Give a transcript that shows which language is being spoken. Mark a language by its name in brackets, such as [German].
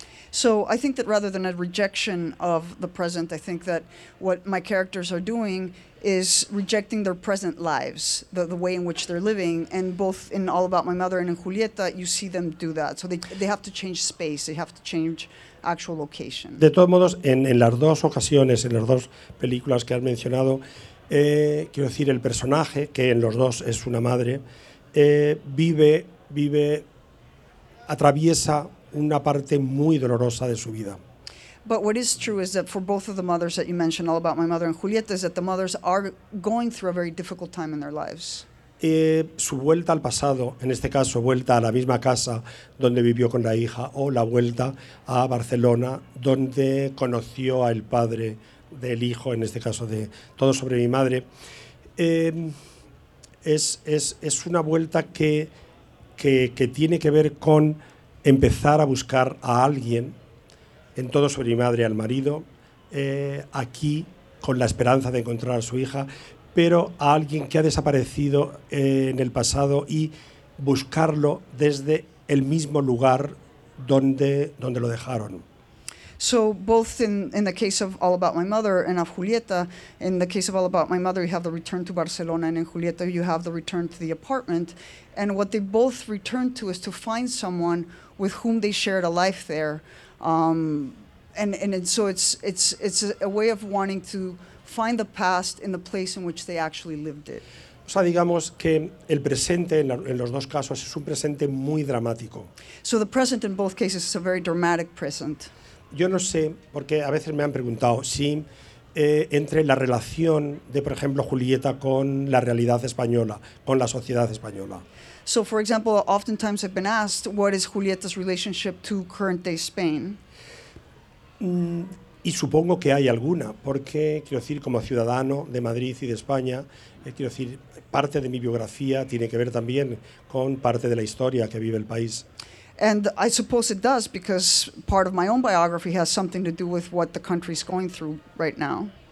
[English] So I think that rather than a rejection of the present, I think that what my characters are doing is rejecting their present lives, the way in which they're living. And both in All About My Mother and in Julieta, you see them do that. So they have to change space, they have to change actual location. [Spanish] De todos modos, en las dos ocasiones, en las dos películas que has mencionado, quiero decir, el personaje, que en los dos es una madre, vive, atraviesa una parte muy dolorosa de su vida. [English] But what is true is that for both of the mothers that you mentioned, All About My Mother and Julieta, is that the mothers are going through a very difficult time in their lives. [Spanish] Su vuelta al pasado, en este caso, vuelta a la misma casa donde vivió con la hija, o la vuelta a Barcelona, donde conoció al padre del hijo, en este caso de Todo sobre mi madre, es una vuelta que tiene que ver con empezar a buscar a alguien. En Todo sobre mi madre, al marido, aquí con la esperanza de encontrar a su hija, pero a alguien que ha desaparecido en el pasado y buscarlo desde el mismo lugar donde lo dejaron. [English] So both in the case of All About My Mother and of Julieta, in the case of All About My Mother, you have the return to Barcelona, and in Julieta, you have the return to the apartment. And what they both return to is to find someone with whom they shared a life there. And so it's a way of wanting to find the past in the place in which they actually lived it. [Spanish] O sea, digamos que el presente en los dos casos es un presente muy dramático. [English] So the present in both cases is a very dramatic present. [Spanish] Yo no sé, porque a veces me han preguntado si entre la relación de, por ejemplo, Julieta con la realidad española, con la sociedad española. [English] So, for example, oftentimes I've been asked, what is Julieta's relationship to current-day Spain? [Spanish] Y supongo que hay alguna, porque, quiero decir, como ciudadano de Madrid y de España, quiero decir, parte de mi biografía tiene que ver también con parte de la historia que vive el país. [English] And I suppose it does, because part of my own biography has something to do with what the country is going through right now.